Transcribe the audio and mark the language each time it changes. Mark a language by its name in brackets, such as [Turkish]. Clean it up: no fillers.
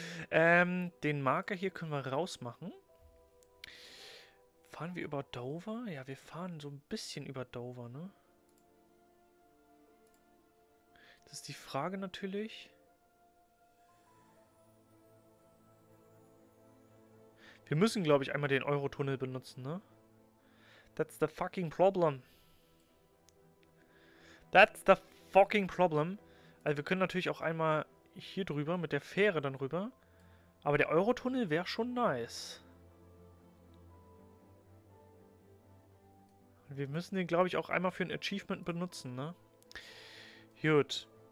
[German] Den Marker hier können wir rausmachen. Fahren wir über Dover? Ja, wir fahren so ein bisschen über Dover, ne? Das ist die Frage natürlich. Wir müssen, glaube ich, einmal den Eurotunnel benutzen, ne? [English] That's the fucking problem. That's the fucking problem. [German] Also wir können natürlich auch einmal hier drüber mit der Fähre dann rüber. Aber der Eurotunnel wäre schon nice. Wir müssen den, glaube ich, auch einmal für ein Achievement benutzen, ne? Gut.